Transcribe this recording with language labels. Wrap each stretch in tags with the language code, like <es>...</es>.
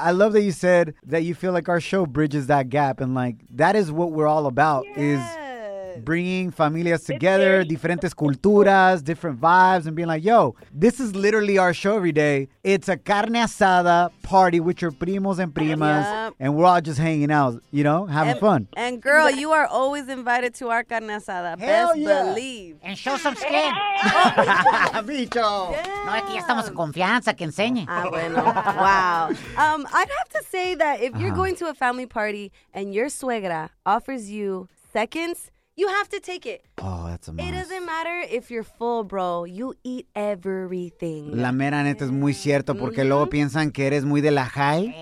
<en>I love that you said that you feel like our show bridges that gap, and, like, that is what we're all about, is bringing familias together, diferentes culturas, different vibes, and being like, yo, this is literally our show every day. It's a carne asada party with your primos and primas, and we're all just hanging out, you know, having fun. And girl, you are always invited to our carne asada. Hell best yeah. Believe. And show some skin.</en> <es>Bicho. No, es que ya estamos en confianza, que enseñe. Ah, bueno. Wow.</es> <en>I'd have to say that if you're going to a family party and your suegra offers you seconds, you have to take it. Oh, that's a mess. It doesn't matter if you're full, bro. You eat everything.</en> <es>La mera neta es muy cierto porque luego piensan que eres muy de la high.</es>